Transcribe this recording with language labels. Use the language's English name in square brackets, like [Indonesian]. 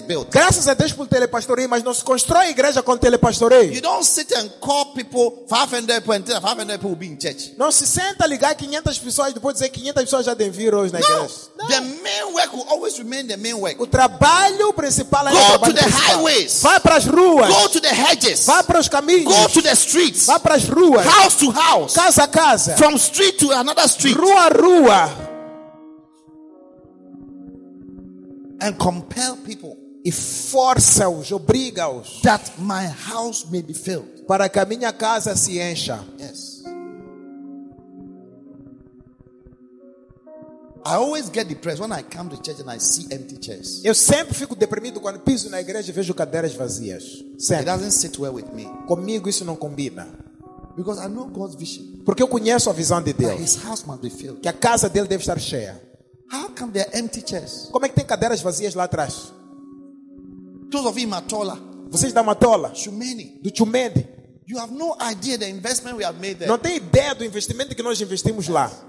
[Portuguese] Graças a Deus por telepastoreio, mas não se constrói igreja com telepastoreio. [English] You don't sit and call people 500 people be in church. [Portuguese] Não se senta ligar 500 pessoas depois dizer 500 pessoas já devem vir hoje na no. igreja. [English] No. The main work will always remain the main work. [Portuguese] O trabalho principal ainda é o trabalho principal. [English] Go to the highways. [Portuguese] Vai para as ruas. [English] Go to the hedges. [Portuguese] Vai para os caminhos. [English] Go to the streets. [Portuguese] Vai para as ruas. [English] House to house. [Portuguese] Casa a casa. [English] From street to another street. [Portuguese] Rua a rua. [English] And compel people. [Portuguese] E força-os, obriga-os. [English] That my house may be filled. [Portuguese] Para que a minha casa se encha. [English] Yes. I always get depressed when I come to church and I see empty chairs. [Portuguese] Eu sempre fico deprimido quando piso na igreja e vejo cadeiras vazias. Sempre. [English] It doesn't sit well with me. [Portuguese] Comigo isso não combina. [English] Because I know God's vision. [Portuguese] Porque eu conheço a visão de Deus. [English] That his house must be filled. [Portuguese] Que a casa dele deve estar cheia. [English] How come there are empty chairs? [Portuguese] Como é que tem cadeiras vazias lá atrás? [English] Those of you in Matola. [Portuguese] Vocês da Matola. [English] Chumeni. [Portuguese] Do Chumeni. [English] You have no idea the investment we have made there. [Portuguese] Não tem ideia do investimento que nós investimos lá.